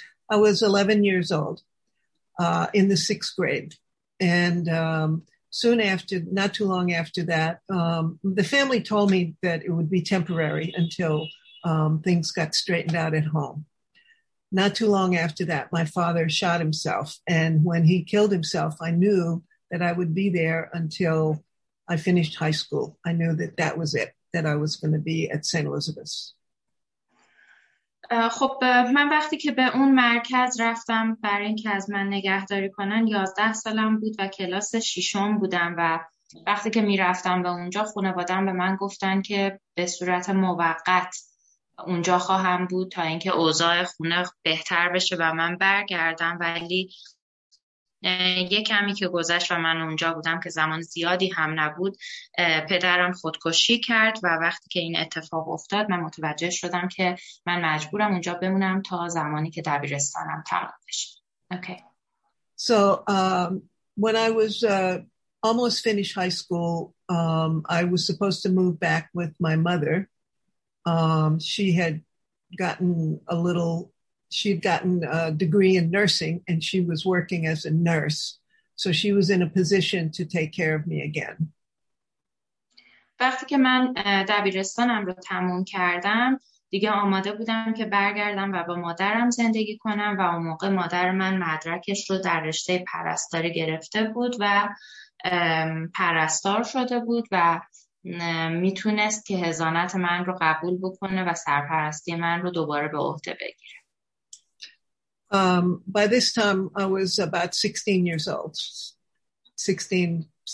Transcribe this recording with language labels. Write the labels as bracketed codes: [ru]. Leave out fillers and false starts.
[en] I was 11 years old in the sixth grade, and soon after, not too long after that, the family told me that it would be temporary until things got straightened out at home. Not too long after that, my father shot himself. And when he killed himself, I knew that I would be there until I finished high school. I knew that that was it, that I was going to be at St. Elizabeth's. [fa] خب من وقتی که به اون مرکز رفتم برای اینکه از من نگهداری کنن 11 سالم بود و کلاس ششم بودم و وقتی که می رفتم به اونجا خانواده‌ام به من گفتن که به صورت موقت اونجا خواهم بود تا اینکه اوضاع خونه بهتر بشه و من برگردم، ولی یک کمی که گذشت و من اونجا بودم که زمان زیادی هم نبود، پدرم خودکشی کرد و وقتی که این اتفاق افتاد من متوجه شدم که من مجبورم اونجا بمونم تا زمانی که دبیرستانم تمام بشه. [en] Okay. So when I was almost finished high school, I was supposed to move back with my mother. She had gotten a little, she'd gotten a degree in nursing and she was working as a nurse. So she was in a position to take care of me again. [fa] وقتی که من دبیرستانم رو تموم کردم دیگه آماده بودم که برگردم و با مادرم زندگی کنم و اون موقع مادر من مدرکش رو در رشته پرستاری گرفته بود و پرستار شده بود و میتونست که حضانت من رو قبول بکنه و سرپرستی من رو دوباره به عهده بگیره. [en] By this time I was about 16 years old. 16.